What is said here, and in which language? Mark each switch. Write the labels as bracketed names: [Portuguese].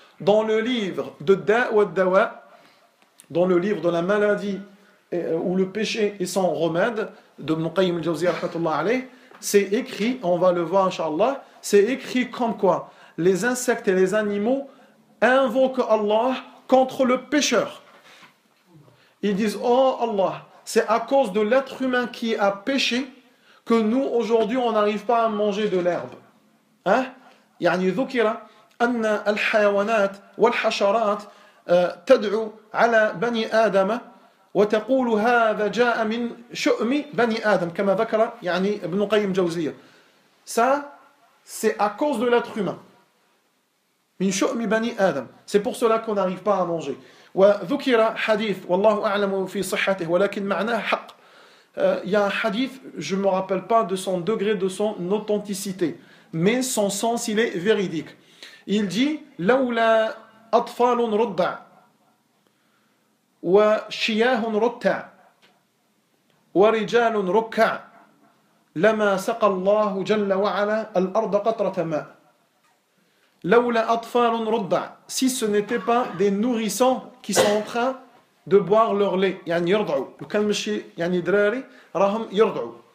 [French] Dans le livre de Da' wa Dawa, dans le livre de la maladie ou le péché et son remède, de Muqayyim al-Jawziyya rahmatullah alayh, c'est écrit, on va le voir inshallah, c'est écrit comme quoi les insectes et les animaux invoquent Allah contre le pécheur. Ils disent, oh Allah, c'est à cause de l'être humain qui a péché que nous aujourd'hui on n'arrive pas à manger de l'herbe. Hein? [Arabic] يعني ذكر أن الحيوانات والحشرات تدعو على بني آدم وتقول هذا جاء من شؤم بني آدم كما ذكر يعني ابن قيم جوزية. [French] Ça, c'est à cause de l'être humain. [Arabic] من شؤم بني آدم. [French] C'est pour cela qu'on n'arrive pas à manger. [Arabic] وذكر حديث والله أعلم في صحته ولكن معناه حق. [French] Il y a un hadith, je ne me rappelle pas de son degré, de son authenticité. Mais son sens, il est véridique. Il dit, [Arabic] « Laoula atfalun rudda' wa shiyahun rutta' ورجال ركع لما سقى الله جل وعلا الأرض قطرة ماء لولا أطفال رضع. [French] Si ce n'était pas des nourrissons qui sont en train de boire leur lait, [Arabic] يعني يرضعوا. وكان مشي يعني دراري راهم يرضعوا.